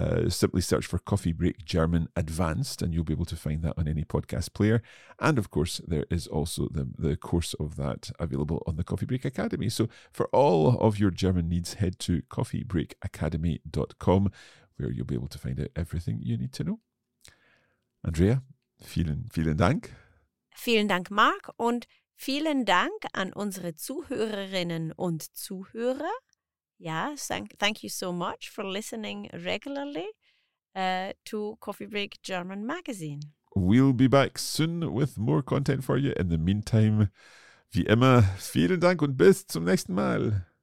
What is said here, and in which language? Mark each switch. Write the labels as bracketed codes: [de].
[en] Simply search for Coffee Break German Advanced and you'll be able to find that on any podcast player. And of course, there is also the course of that available on the Coffee Break Academy. So for all of your German needs, head to coffeebreakacademy.com where you'll be able to find out everything you need to know. [de] Andrea, vielen Dank. Vielen Dank, Marc. Und vielen Dank an unsere Zuhörerinnen und Zuhörer. [en] Yes, thank you so much for listening regularly to Coffee Break German Magazine. We'll be back soon with more content for you. In the meantime, [de] wie immer, vielen Dank und bis zum nächsten Mal.